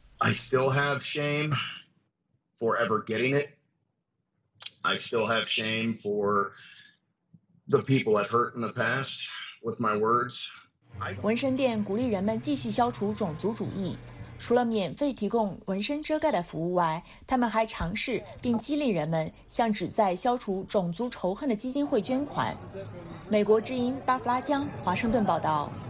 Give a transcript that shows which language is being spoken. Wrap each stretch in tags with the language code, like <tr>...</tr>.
<en>I still have shame for ever getting it. I still have shame for the people I've hurt in the past. With my words,</en> <zh>纹身店鼓励人们继续消除种族主义。除了免费提供纹身遮盖的服务外，他们还尝试并激励人们向旨在消除种族仇恨的基金会捐款。美国之音巴弗拉江华盛顿报道。</zh>